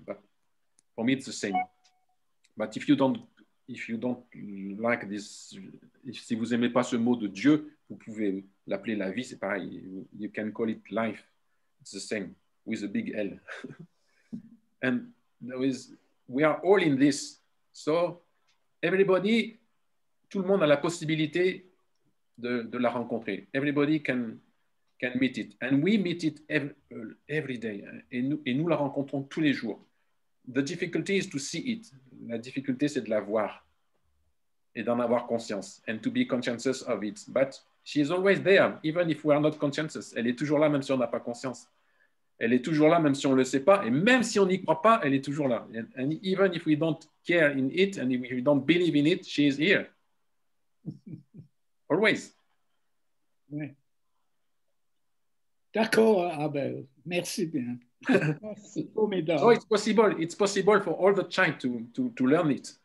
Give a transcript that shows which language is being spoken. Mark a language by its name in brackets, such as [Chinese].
[English] But for me, it's the same. [French] But si vous aimez pas ce mot de Dieu, vous pouvez l'appeler la vie, c'est pareil. [English] You can call it life. It's the same with a big L. And there is, we are all in this. So everybody, [French] tout le monde a la possibilité de la rencontrer. [English] Everybody can meet it. And we meet it every day. [French] Et nous la rencontrons tous les jours. [English] The difficulty is to see it. [French] La difficulté, c'est de la voir et d'en avoir conscience, [English] and to be conscientious of it. But she is always there, even if we are not conscientious. [French] Elle est toujours là, même si on n'a pas conscience. Elle est toujours là, même si on ne le sait pas. Et même si on n'y croit pas, elle est toujours là. [English] And even if we don't care in it, and if we don't believe in it, she is here. Always. [French] Oui. D'accord, Abel. Merci bien. [English] So it's possible for all the child to learn it.